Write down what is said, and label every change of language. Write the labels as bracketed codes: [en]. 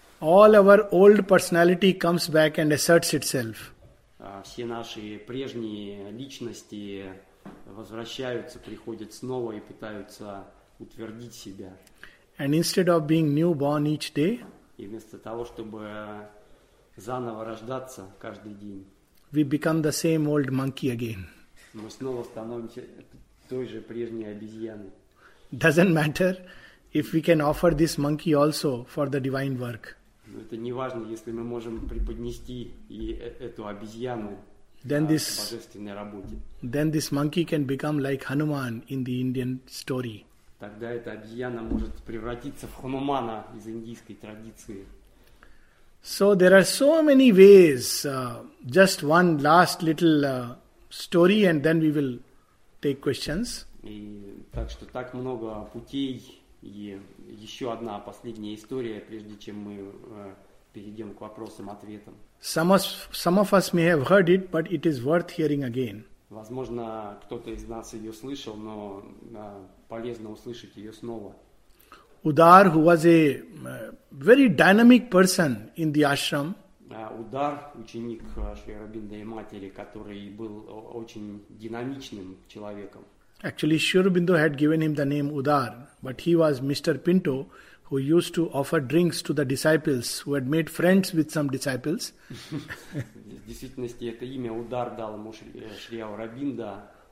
[en] All our old personality comes back and asserts itself. [ru] Все наши прежние личности возвращаются, приходят снова и пытаются утвердить себя. [en] And instead of being newborn each day, [ru] и вместо того, чтобы заново рождаться каждый день, [en] we become the same old monkey again. [ru] Мы снова становимся той же прежней обезьяной. [en] Doesn't matter if we can offer this monkey also for the divine work. [ru] Но это не важно, если мы можем преподнести и эту обезьяну божественной работе. [en] Then this monkey can become like Hanuman in the Indian story. [ru] Тогда эта обезьяна может превратиться в Хунумана из индийской традиции. [en] So there are so many ways. Just one last little story, and then we will take questions. [ru] И так что так много путей, и еще одна последняя история, прежде чем мы перейдем к вопросам-ответам. [en] Some of us may have heard it, but it is worth hearing again. [ru] Возможно, кто-то из нас ее слышал, но полезно услышать ее снова. [en] Удар, who was a very dynamic person in the ashram. [ru] Удар, ученик Шри Аурабинда и матери, который был очень динамичным человеком. [en] Actually, Шри Аурабинда had given him the name Удар, but he was Mr. Pinto, who used to offer drinks to the disciples, who had made friends with some disciples. [ru] В действительности, это имя Удар дал ему Шри Аурабинда.